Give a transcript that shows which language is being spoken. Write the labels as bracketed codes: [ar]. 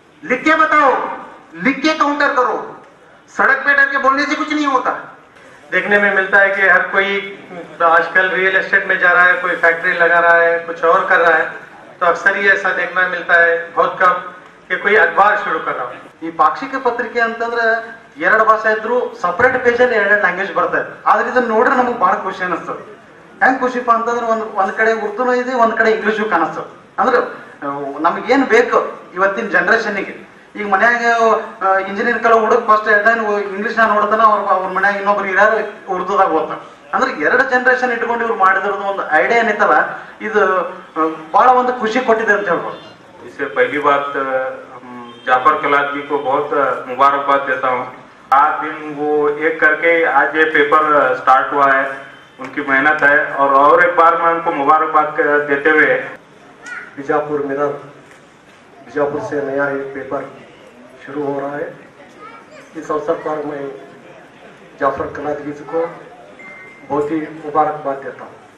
[hi] लिख के बताओ, लिख के काउंटर करो, सड़क पे डर के बोलने से कुछ नहीं होता। देखने में मिलता है कि हर कोई आजकल रियल एस्टेट में जा रहा है, कोई फैक्ट्री लगा रहा है, कुछ और कर रहा है, तो अक्सर ही ऐसा देखना मिलता है, बहुत कम, कि कोई अखबार शुरू कर रहा हो। ये पाक्षिक पत्रिके अंतर [kn] ಎರಡು ಭಾಷೆ ಇದ್ರೂ ಸಪರೇಟ್ ಪೇಜ್ ಅಲ್ಲಿ ಎರಡು ಲ್ಯಾಂಗ್ವೇಜ್ ಬರ್ತದೆ. ಆದ್ರೆ ಇದನ್ನ ನೋಡ್ರೆ ನಮ್ಗೆ ಬಹಳ ಖುಷಿ ಅನಿಸ್ತದೆ. ಹೆಂಗ್ ಖುಷಿಪ್ಪ ಅಂತಂದ್ರೆ ಒಂದ್ ಕಡೆ ಉರ್ದುನೂ ಇದೆ, ಒಂದ್ ಕಡೆ ಇಂಗ್ಲಿಷು ಕಾಣಿಸ್ತದೆ. ಅಂದ್ರೆ ನಮ್ಗೇನ್ ಬೇಕು ಇವತ್ತಿನ ಜನರೇಷನ್ ಗೆ? ಈಗ ಮನ್ಯಾಗ ಇಂಜಿನಿಯರ್ ಕಲ ಹುಡುಕ್ ಫಸ್ಟ್ ಹೇಳ್ತಾನ ಇಂಗ್ಲಿಷ್ ನಾ ನೋಡ್ತಾನ, ಅವ್ರ ಮನ್ಯಾಗ ಇನ್ನೊಬ್ರು ಇರಾರು ಉರ್ದುದಾಗ ಓದ್ತಾರ. ಅಂದ್ರೆ ಎರಡು ಜನರೇಷನ್ ಇಟ್ಕೊಂಡು ಇವ್ರು ಮಾಡಿದ್ರದ ಒಂದು ಐಡಿಯಾ ಏನೈತಲ್ಲ, ಇದು ಬಹಳ ಒಂದು ಖುಷಿ ಕೊಟ್ಟಿದೆ ಅಂತ ಹೇಳ್ಬೋದು. [hi] जाफर कलाद जी को बहुत मुबारकबाद देता हूँ। आज दिन वो एक करके आज ये पेपर स्टार्ट हुआ है, उनकी मेहनत है। और एक बार मैं उनको मुबारकबाद देते हुए, बीजापुर मेरा, बीजापुर से नया ये पेपर शुरू हो रहा है, इस अवसर पर मैं जाफर कलाद जी को बहुत ही मुबारकबाद देता हूँ।